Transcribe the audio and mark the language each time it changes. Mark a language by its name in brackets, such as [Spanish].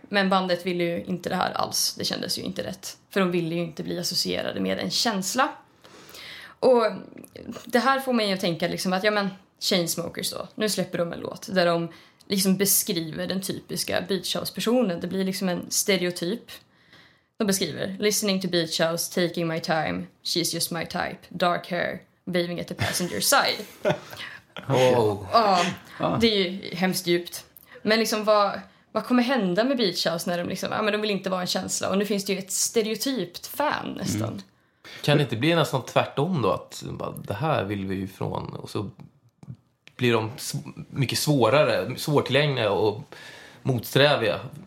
[Swedish] Men bandet ville ju inte det här alls. Det kändes ju inte rätt. För de ville ju inte bli associerade med en känsla. Och det här får mig att tänka liksom att, ja men, Chainsmokers då. Nu släpper de en låt där de liksom beskriver den typiska Beach House-personen. Det blir liksom en stereotyp. De beskriver, [English] listening to Beach House, taking my time, she's just my type, dark hair, waving at the passenger side. Oh. [Swedish] Ja, det är ju hemskt djupt. Men liksom, vad kommer hända med Beach House när de liksom, ja men de vill inte vara en känsla. Och nu finns det ju ett stereotypt fan nästan. Mm. Kan det inte bli nästan tvärtom då, att bara, det här vill vi ju från, och så blir de mycket svårare, svårtillgängliga och motsträviga.